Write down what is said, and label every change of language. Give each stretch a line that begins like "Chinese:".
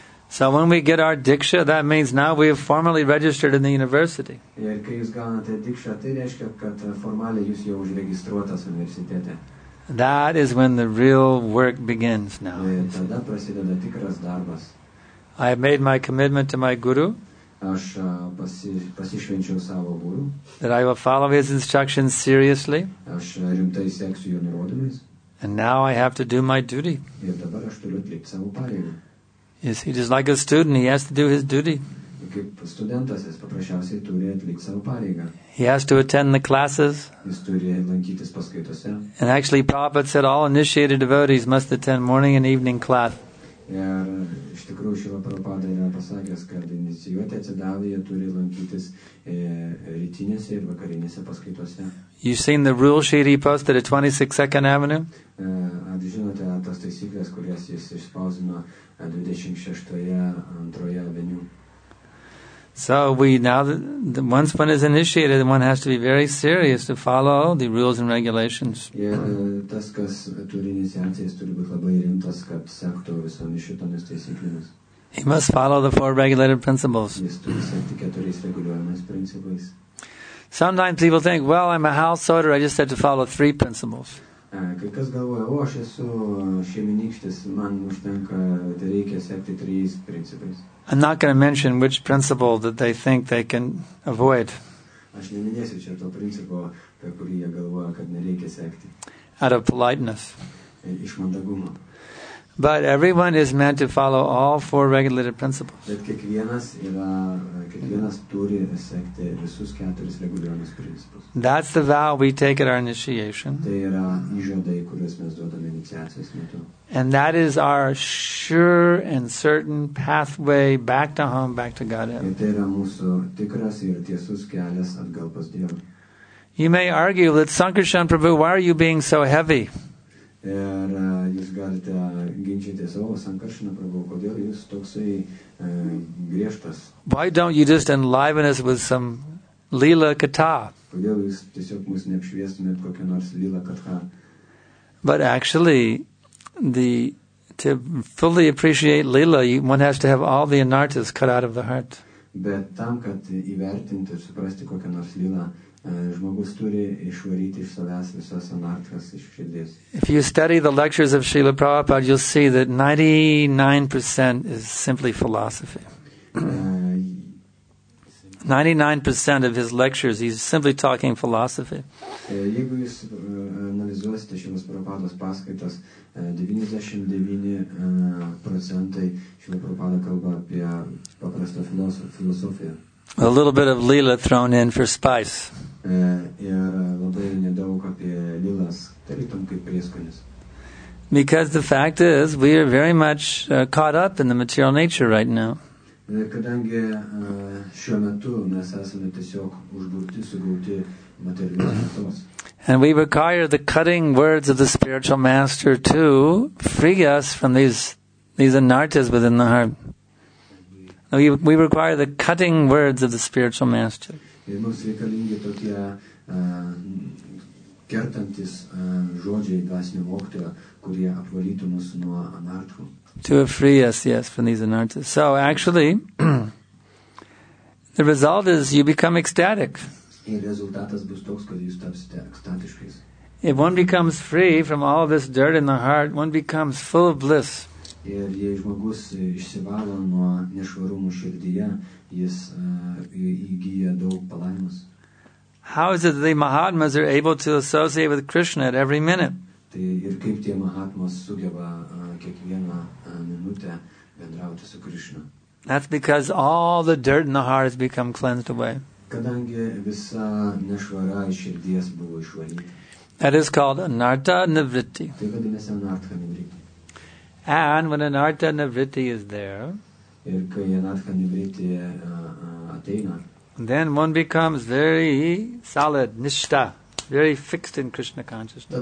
English: So when we get our diksha, that means now we have formally registered in the university.
Lithuanian: Ir kai jūs gaunate diksha, tai reiškia, kad formaliai jūs jau užregistruotas universitete.
English: That is when the real work begins now.
Lithuanian: Ir tada prasideda tikras darbas.
English: I have made my commitment to my guru.
Lithuanian: Aš pasišvenčiau savo guru.
English: That I will follow his instructions seriously.
Lithuanian: Aš rimtai seksiu jo nurodymais.
English: And now I have to do my duty.
Lithuanian: Ir dabar aš turiu atlikti savo pareigą.
English: Yes, he is like a student, he has to do his duty.
Lithuanian: Kaip studentas, jis paprasčiausiai turi atlikti savo pareigą.
English: He has to attend the classes.
Lithuanian: Jis turi lankytis paskaitose.
English: And actually, Prabhupada said, all initiated devotees must attend morning and evening class.
Lithuanian: Ir iš tikrųjų, Šrila Prabhupada yra pasakęs, kad inicijuoti atsidavę, jie turi lankytis rytinėse ir vakarinėse paskaitose.
English: You've seen the rule sheet he posted at 26 Second Avenue?
Lithuanian: Ar žinote tas taisyklės, kurias jis išspausino 26 antroje aveniu?
English: So we now, once one is initiated, one has to be very serious to follow the rules and regulations.
Lithuanian: Tas, kas turi iniciaciją, jis turi būti labai rimtas, kad sektų visomis šitomis taisyklėmis.
English: He must follow the four regulated principles.
Lithuanian: Jis turi sekti keturiais reguliuojamais principais.
English: Sometimes people think, well, I'm a house sorter, I just have to follow three principles.
Lithuanian: Kai kas galvoja, o aš esu šeiminykštis, man užtenka, tai reikia sekti trys principais.
English: I'm not going to mention which principle that they think they can avoid.
Lithuanian: Aš neminėsiu čia to principo, per kurį jie galvoja, kad nereikia sekti.
English: Out of politeness.
Lithuanian: Iš mandagumo.
English: But everyone is meant to follow all four regulative principles.
Lithuanian: Bet kiekvienas turi sekti visus keturis reguliuojamus principus.
English: That's the vow we take at our initiation.
Lithuanian: Tai yra įžadai, kuriuos mes duodame iniciacijos metu.
English: And that is our sure and certain pathway back to home, back to Godhead.
Lithuanian: Tai yra mūsų tikras ir tiesus kelias atgal pas Dievą.
English: You may argue that Sankarshan Prabhu, why are you being so heavy?
Lithuanian: Ir jūs galite ginčyti savo Sankarshana Prabhu, kodėl jūs toksai griežtas?
English: Why don't you just enliven us with some Lila Katha?
Lithuanian: Kodėl jūs tiesiog mūsų neapšviestumėt kokią nors Lila Katha?
English: But actually, to fully appreciate Lila, one has to have all the anartas cut out of the heart.
Lithuanian: Bet tam, kad įvertinti ir suprasti kokią nors Lila, žmogus turi išvaryti iš savęs visas anartas iš širdies.
English: If you study the lectures of Srila Prabhupada, you'll see that 99% is simply philosophy. 99% of his lectures, he's simply talking philosophy.
Lithuanian: Jeigu jūs analizuosite Šilos Prabhupados paskaitas, 99% Šilo Prabhupada kalba apie paprastą filosofiją.
English: A little bit of Lila thrown in for spice.
Lithuanian: Ir labai nedaug apie Lilas, tarytum kaip prieskonis.
English: Because the fact is, we are very much caught up in the material nature right now.
Lithuanian: Kadangi šiuo metu mes esame tiesiog užgauti, sugauti materialios tiesos.
English: And we require the cutting words of the spiritual master to free us from these anartas within the heart. We require the cutting words of the spiritual master.
Lithuanian: Ir mums reikalingi tokie kertantis žodžiai dvasinio mokytojo, kurie apvalytų mus nuo anartų.
English: To free us, yes, from these anartas. So actually, the result is you become ecstatic.
Lithuanian: Ir rezultatas bus toks, kad jūs tapsite ekstatiškais.
English: If one becomes free from all this dirt in the heart, one becomes full of bliss.
Lithuanian: Ir jei žmogus išsivalo nuo nešvarumų širdyje, jis įgyja daug palaimos.
English: How is it that the Mahatmas are able to associate with Krishna at every minute?
Lithuanian: Tai ir kaip tie Mahatmas sugeba kiekvieną minutę bendrauti su Krishna?
English: That's because all the dirt in the heart has become cleansed away.
Lithuanian: Kadangi visa nešvara iš širdies buvo išvalyta.
English: That is called anarta nivritti.
Lithuanian: Tai vadinasi anarta nivritti.
English: And when anarta nivritti is there,
Lithuanian: ir kai anarta nivritti ateina,
English: then one becomes very solid, nishta, very fixed in Krishna consciousness.